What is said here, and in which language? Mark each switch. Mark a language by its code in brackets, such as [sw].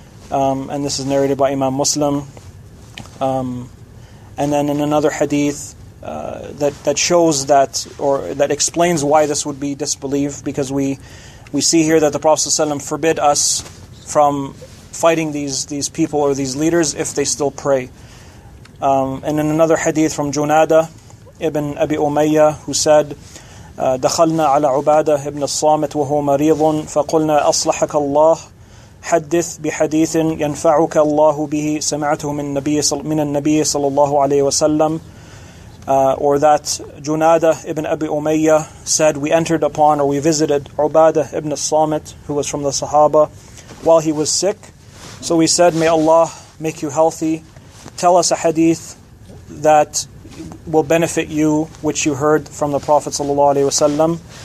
[en] And this is narrated by Imam Muslim. And then in another hadith that shows that, or that explains why this would be disbelief, because we see here that the Prophet ﷺ forbid us from fighting these people or these leaders if they still pray. And in another hadith from Junada ibn Abi Umayyah, who said, [ar] دخلنا على عبادة ابن الصامت وهو مريض فقلنا أصلحك الله حدث بحديث ينفعك الله به سمعته من النبي صلى الله عليه وسلم. [en] Or that Junada ibn Abi Umayyah said, we entered upon, or we visited Ubadah ibn al-Samit, who was from the Sahaba, while he was sick. So we said, may Allah make you healthy. Tell us a hadith that will benefit you, which you heard from the Prophet sallallahu alayhi wasallam.